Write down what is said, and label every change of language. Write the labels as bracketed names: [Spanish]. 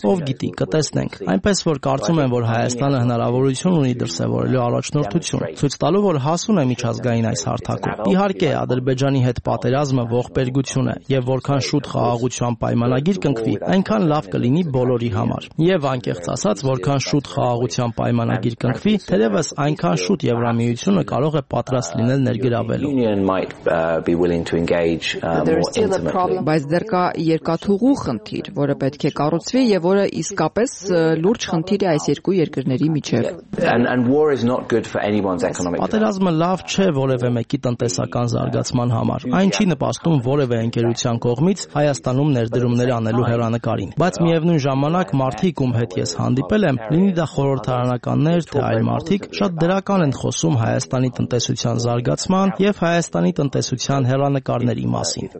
[Armenian] Ով գիտի, կտեսնենք։ Այնպես որ կարծում եմ, որ Հայաստանը հնարավորություն ունի դրսևորելու առաջնորդություն, ցույց տալու, որ հասուն է միջազգային այս հարթակում։ Իհարկե, Ադրբեջանի հետ պատերազմը ողբերգություն է, եւ որքան շուտ խաղաղության պայմանագիր կնկվի, այնքան լավ կլինի բոլորի համար։ Եվ անկեղծ ասած, որքան շուտ խաղաղության պայմանագիր կնկվի, թերևս այնքան շուտ Եվրամիությունը կարող է պատրաստ լինել ներգրավելու։ Բայց դեռ կա երկաթուղու խնդիր, որը պետք է կառուցվի եւ որը իսկապես լուրջ խնդիր է այս երկու երկրների միջև։ [English] And war is not good for anyone's economic. [Armenian] Պատերազմը լավ չէ որևէ մեկի տնտեսական զարգացման համար։ Այն չի նպաստում որևէ ընկերության կողմից Հայաստանում ներդրումներ անելու հեռանկարին։ Բայց միևնույն ժամանակ մարդիկ, ում հետ ես հանդիպել եմ, լինի դա խորհրդարանականներ, թե այլ մարդիկ, շատ դրական են խոսում Հայաստանի տնտեսության զարգացման եւ Հայաստանի տնտեսության հեռանկարների մասին։